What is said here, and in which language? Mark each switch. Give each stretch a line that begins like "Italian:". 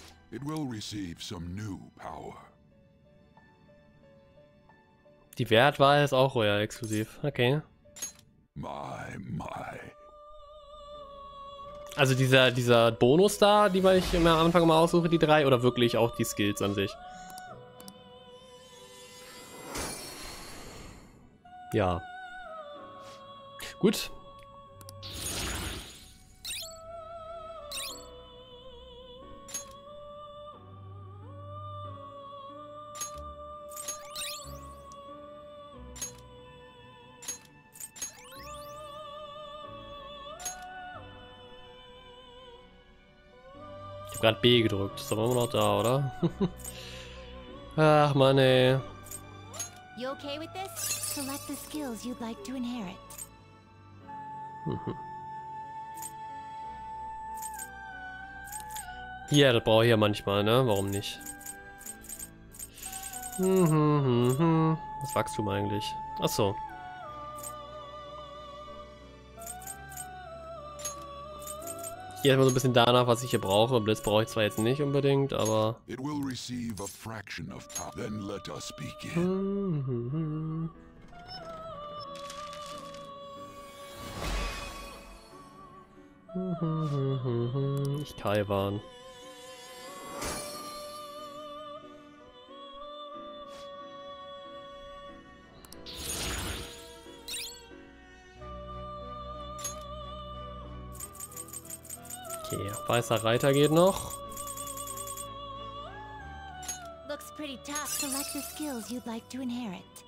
English: It will receive some new power.
German: Die Wertwahl ist auch royal exklusiv. Okay. My. Also dieser Bonus da, die ich immer am Anfang immer aussuche, die drei, oder wirklich auch die Skills an sich? Ja. Gut. Gerade B gedrückt. Ist aber immer noch da, oder? Ach, Mann, ey.
English: You okay with this? Select the skills you'd like to inherit.
German: Ja, das brauche ich ja manchmal, ne? Warum nicht? Was Wachstum eigentlich? Ach so. Ich gehe erstmal so ein bisschen danach, was ich hier brauche. Blitz brauche ich zwar jetzt nicht unbedingt, aber...
English: It will receive a fraction of power. Then let us begin.
German: Ich Taiwan. Okay, weißer Reiter geht noch.
English: Looks pretty tough. Select the skills you'd like to inherit.